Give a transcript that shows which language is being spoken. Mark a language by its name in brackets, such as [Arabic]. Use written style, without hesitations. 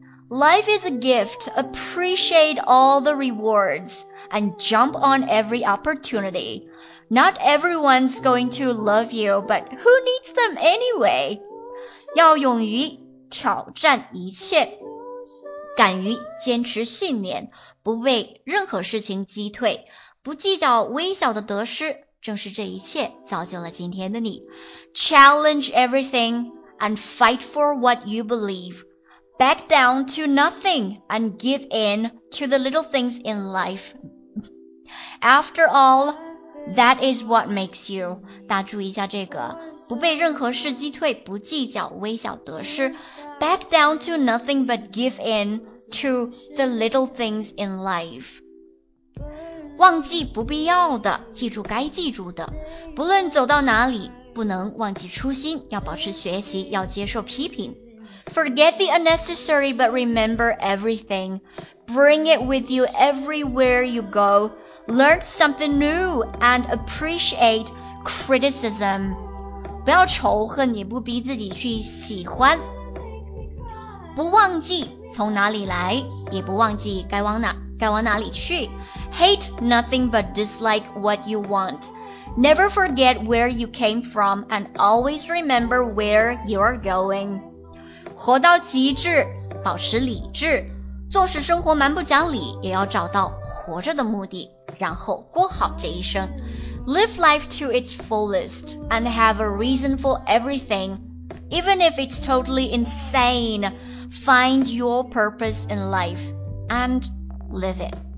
[English] Life is a gift, appreciate all the rewards, and jump on every opportunity. Not everyone's going to love you, but who needs them anyway? [Chinese] 要勇于挑战一切，敢于坚持信念，不为任何事情击退，不计较微小的得失，正是这一切造就了今天的你。 [English] Challenge everything and fight for what you believe. Back down to nothing and give in to the little things in life. After all, that is what makes you. [Chinese] 大注意一下这个，不被任何事击退，不计较微小得失。 [English] Back down to nothing but give in to the little things in life. [Chinese] 忘记不必要的，记住该记住的。不论走到哪里，不能忘记初心，要保持学习，要接受批评。 [English] Forget the unnecessary but remember everything. Bring it with you everywhere you go. Learn something new and appreciate criticism. [Chinese] 不要仇恨，也不逼自己去喜欢。不忘记从哪里来，也不忘记该往哪里去。 [English] Hate nothing but dislike what you want. Never forget where you came from and always remember where you're going. [Chinese] 活到极致，保持理智，做事生活蛮不讲理，也要找到活着的目的，然后过好这一生。 [English] Live life to its fullest and have a reason for everything, even if it's totally insane. Find your purpose in life and live it.